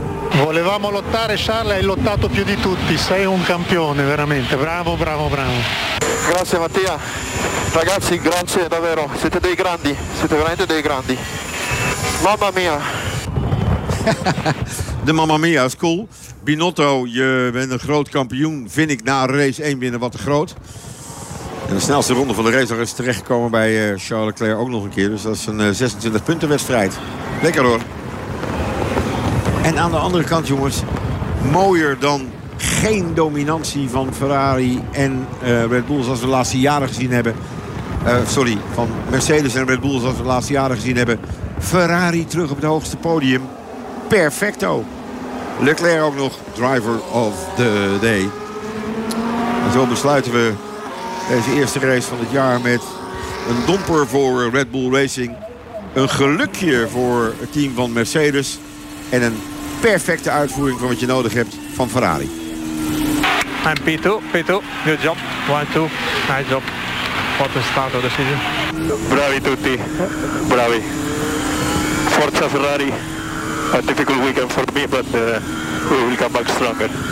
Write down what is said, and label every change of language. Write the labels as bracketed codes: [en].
[it] Volevamo lottare, Charles, hai lottato più di tutti. Sei un campione, veramente. Bravo, bravo, bravo. Grazie, Mattia. Ragazzi, grazie, davvero. Siete dei grandi. Siete veramente dei grandi. Mamma mia. [nl] De Mamma Mia is cool. Binotto, je bent een groot kampioen. Vind ik na race 1 winnen wat te groot. En de snelste ronde van de race is terechtgekomen bij Charles Leclerc ook nog een keer. Dus dat is een 26-puntenwedstrijd. Lekker hoor. En aan de andere kant, jongens. Mooier dan geen dominantie van Ferrari en Red Bull zoals we de laatste jaren gezien hebben. Van Mercedes en Red Bull zoals we de laatste jaren gezien hebben. Ferrari terug op het hoogste podium. Perfecto. Leclerc ook nog [en] driver of the day. [nl] En zo besluiten we deze eerste race van het jaar met een domper voor Red Bull Racing. Een gelukje voor het team van Mercedes. En een perfecte uitvoering van wat je nodig hebt van Ferrari. [en] En P2, P2, good job. 1-2, nice job. What a start of the season. [it] Bravi tutti, bravi. Forza Ferrari. [en] A difficult weekend for me, but we will come back stronger.